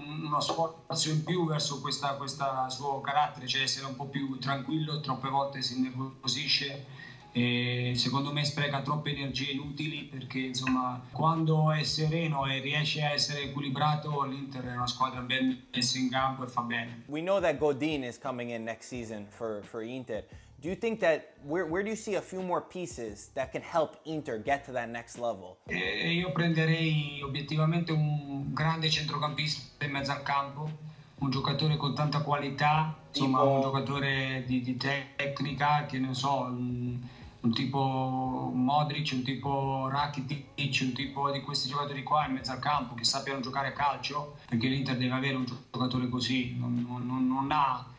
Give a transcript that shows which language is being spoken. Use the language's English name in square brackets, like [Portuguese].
[Italian] uno sforzo in più verso questo suo carattere, cioè essere un po' più tranquillo, troppe volte si innervosisce e secondo me spreca troppe energie inutili, perché insomma quando è sereno e riesce a essere equilibrato, l'Inter è una squadra ben messa in campo e fa bene. [English] We know that Godin is coming in next season for Inter. Do you think that where do you see a few more pieces that can help Inter get to that next level? [Italian] Io prenderei obiettivamente un grande centrocampista in mezzo al campo, un giocatore con tanta qualità, insomma tipo... un giocatore di tecnica, che ne so, un tipo Modric, un tipo Rakitic, un tipo di questi giocatori qua in mezzo al campo che sappiano giocare a calcio, perché l'Inter deve avere un giocatore così, non ha.